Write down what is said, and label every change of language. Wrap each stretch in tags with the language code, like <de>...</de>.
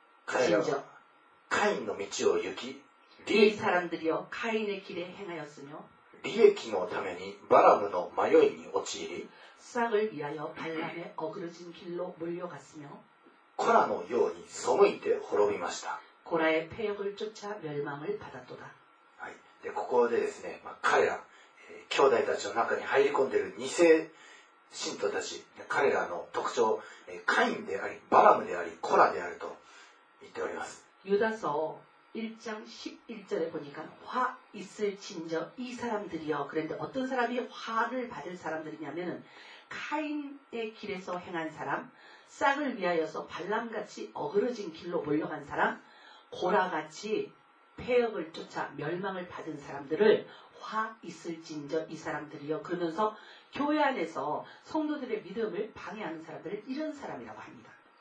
<ja>彼らは카인の道を行き</ja> <ko>いい사람들이여카인의길에행하였으며</ko> <ja>利益のためにバラムの迷いに陥り</ja> <ko>싹을위하여발람의어그러진길로몰려갔으며</ko> <ja>코라のように背いて滅びました</ja> <ko>고라의패역을쫓아멸망을받았도다</ko> <ja>はい。で、ここでですね、まあ、彼ら、兄弟たちの中に入り込んでいる偽信徒たち、彼らの特徴、カインであり、バラムであり、コラであると言っております。</ja> <ko>ユダソ1장11절에보니까화있을진저이사람들이여그런데어떤사람이화를받을사람들이냐면카인의길에서행한사람싹을위하여서발람같이어그러진길로몰려간사람고라같이패역을쫓아멸망을받은사람들을화있을진저이사람들이여그러면서교회안에서성도들의믿음을방해하는사람들을이런사람이라고합니다</ko>